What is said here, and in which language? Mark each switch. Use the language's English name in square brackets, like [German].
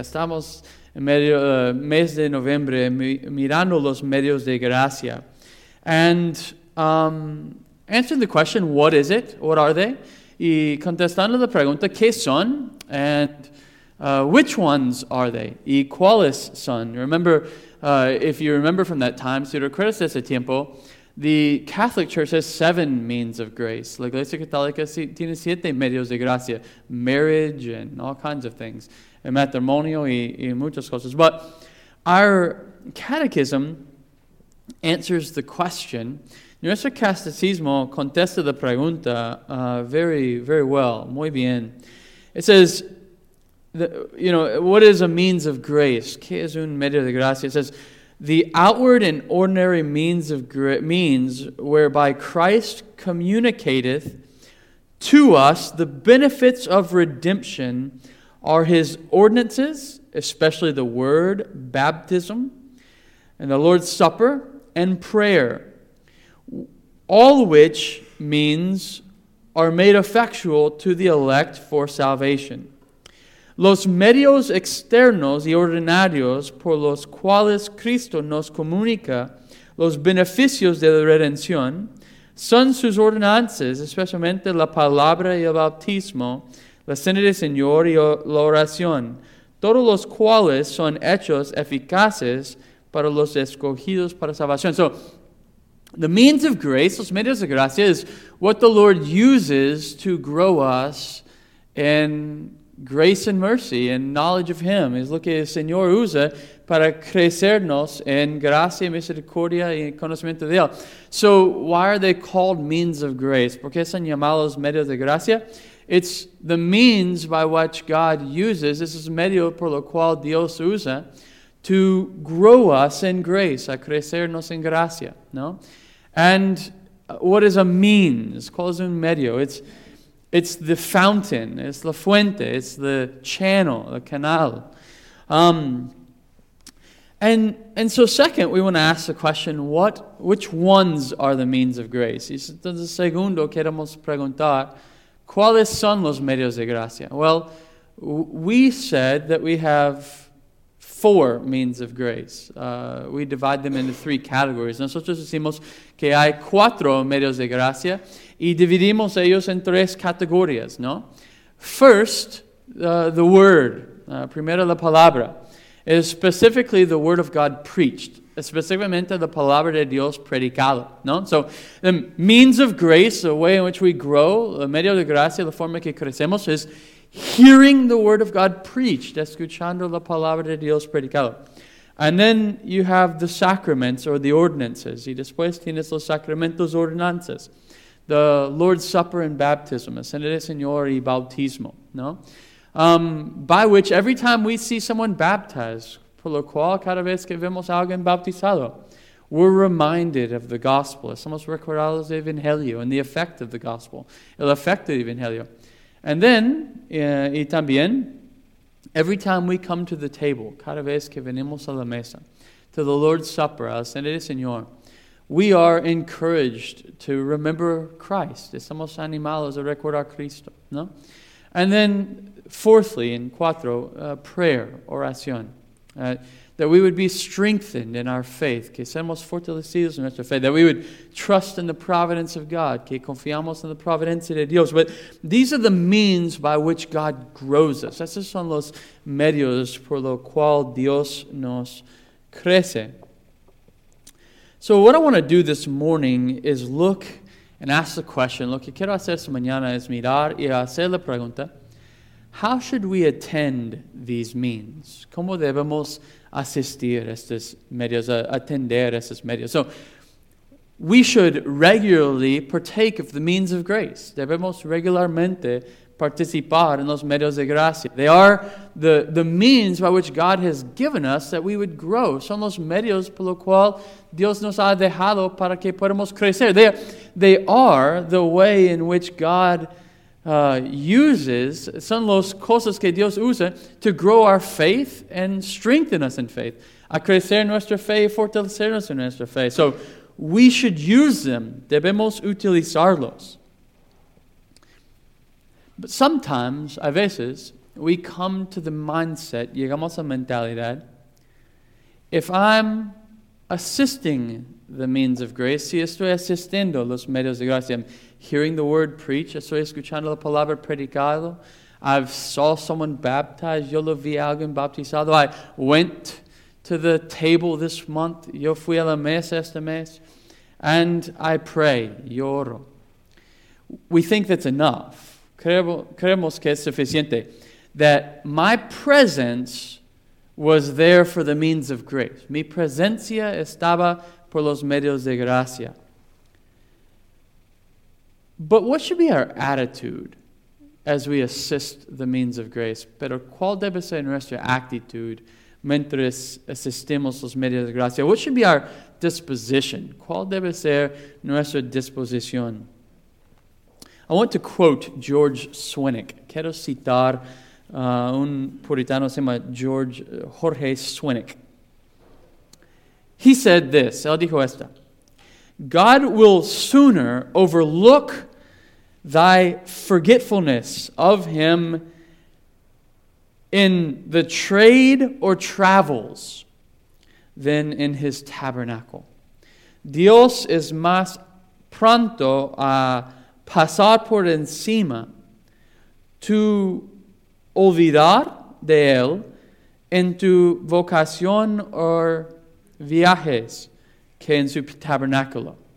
[Spanish] Gastamos en medio mes de noviembre mirando los medios de gracia. [English] And answering the question, what is it? What are they? [Spanish] Y contestando la pregunta, ¿qué son? [English] And which ones are they? [Spanish] ¿Y cuáles son? [English] Remember, if you remember from that time, [Spanish] si recuerdas ese tiempo, [English] the Catholic Church has seven means of grace. [Spanish] La Iglesia Católica tiene siete medios de gracia. [English] Marriage and all kinds of things. [Spanish] El matrimonio y muchas cosas. [English] But our catechism answers the question. [Spanish] Nuestro catecismo contesta la pregunta [English] very, very well. [Spanish] Muy bien. [English] It says, what is a means of grace? [Spanish] ¿Qué es un medio de gracia? [English] It says, the outward and ordinary means whereby Christ communicateth to us the benefits of redemption are his ordinances, especially the word, baptism, and the Lord's Supper, and prayer, all which means are made effectual to the elect for salvation. [Spanish] Los medios externos y ordinarios por los cuales Cristo nos comunica los beneficios de la redención son sus ordenanzas, especialmente la palabra y el bautismo, la cena del Señor y la oración, todos los cuales son hechos eficaces para los escogidos para salvación. [English] So, the means of grace, [Spanish] los medios de gracia, [English] is what the Lord uses to grow us in grace and mercy and knowledge of Him. [Spanish] Es lo que el Señor usa para crecernos en gracia, misericordia y conocimiento de Él. [English] So, why are they called means of grace? [Spanish] ¿Por qué son llamados medios de gracia? [English] It's the means by which God uses, this is [Spanish] medio por lo cual Dios usa, [English] to grow us in grace, [Spanish] a crecernos en gracia, ¿no? [English] And what is a means? ¿Cuál es un medio? It's the fountain, it's [Spanish] la fuente, [English] it's the channel, the canal. And so second, we want to ask the question, which ones are the means of grace? [Spanish] Y entonces, segundo, queremos preguntar, ¿cuáles son los medios de gracia? [English] Well, We said that we have four means of grace. We divide them into three categories. [Spanish] Nosotros decimos que hay cuatro medios de gracia y dividimos ellos en tres categorías, ¿no? [English] First, the word. [Spanish] Primero, la palabra. [English] Is specifically the word of God preached. [Spanish] Especialmente la palabra de Dios predicado, ¿no? [English] So, the means of grace, the way in which we grow, the [Spanish] medio de gracia, la forma que crecemos, [English] is hearing the word of God preached, [Spanish] escuchando la palabra de Dios predicado. [English] And then you have the sacraments or the ordinances. [Spanish] Y después tienes los sacramentos ordenanzas. [English] The Lord's Supper and baptism, [Spanish] la cena del Señor y bautismo, ¿no? [English] By which every time we see someone baptized, [Spanish] por lo cual cada vez que vemos a alguien bautizado, [English] we're reminded of the gospel. [Spanish] Somos recordados del Evangelio [English] and the effect of the gospel, [Spanish] el efecto del Evangelio. [English] And then, [Spanish] y también, [English] every time we come to the table, [Spanish] cada vez que venimos a la mesa, [English] to the Lord's Supper, [Spanish] a la cena del Señor, [English] we are encouraged to remember Christ. [Spanish] Estamos animados a recordar Cristo, ¿no? [English] And then, fourthly, in [Spanish] cuatro, [English] prayer, [Spanish] oración. [English] That we would be strengthened in our faith, [Spanish] que seamos fortalecidos en nuestra fe, [English] that we would trust in the providence of God, [Spanish] que confiamos en la providencia de Dios. [English] But these are the means by which God grows us. [Spanish] Esos son los medios por lo cual Dios nos crece. [English] So what I want to do this morning is look and ask the question. [Spanish] Lo que quiero hacer esta mañana es mirar y hacer la pregunta. [English] How should we attend these means? [Spanish] ¿Cómo debemos asistir a estos medios, atender a estos medios? [English] So, we should regularly partake of the means of grace. [Spanish] Debemos regularmente participar en los medios de gracia. [English] They are the means by which God has given us that we would grow. [Spanish] Son los medios por lo cual Dios nos ha dejado para que podamos crecer. [English] They are the way in which God uses, [Spanish] son los cosas que Dios usa [English] to grow our faith and strengthen us in faith. [Spanish] A crecer nuestra fe y fortalecernos en nuestra fe. [English] So, we should use them. [Spanish] Debemos utilizarlos. [English] But sometimes, [Spanish] a veces, [English] we come to the mindset, [Spanish] llegamos a mentalidad, [English] if I'm assisting the means of grace, [Spanish] si estoy asistiendo los medios de gracia, [English] hearing the word preached, [Spanish] estoy escuchando la palabra predicado. [English] I've saw someone baptized, [Spanish] yo lo vi a alguien bautizado. [English] I went to the table this month, [Spanish] yo fui a la mesa este mes, [English] and I pray, [Spanish] yo oro. [English] We think that's enough. [Spanish] Creemos que es suficiente. [English] That my presence was there for the means of grace. [Spanish] Mi presencia estaba por los medios de gracia. [English] But what should be our attitude as we assist the means of grace? [Spanish] Pero ¿cuál debe ser nuestra actitud mientras asistimos los medios de gracia? [English] What should be our disposition? [Spanish] ¿Cuál debe ser nuestra disposición? [English] I want to quote George Swinnick. [Spanish] Quiero citar un puritano se llama Jorge Swinnick. [English] He said this, [Spanish] él dijo esta, [English] God will sooner overlook thy forgetfulness of him in the trade or travels than in his tabernacle. [Spanish] Dios es más pronto a pasar por encima tu olvidar de él en tu vocación o viajes que en su tabernáculo.